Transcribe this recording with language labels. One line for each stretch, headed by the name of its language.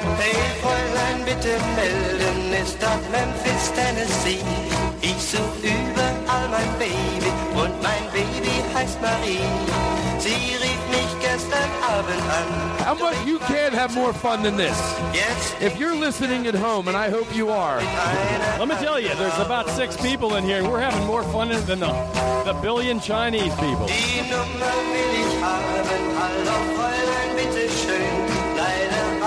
German: Hey, Fräulein, bitte melden, ist auf Memphis, Tennessee. Ich suche überall mein Baby, und mein Baby heißt Marie. Sie rief mich gestern Abend an.
English: How much you can't have more fun than this? If you're listening at home, and I hope you are. Let me tell you, there's about six people in here, and we're having more fun than the billion Chinese people.
German: Die Nummer will ich haben, hallo Fräulein, bitte schön.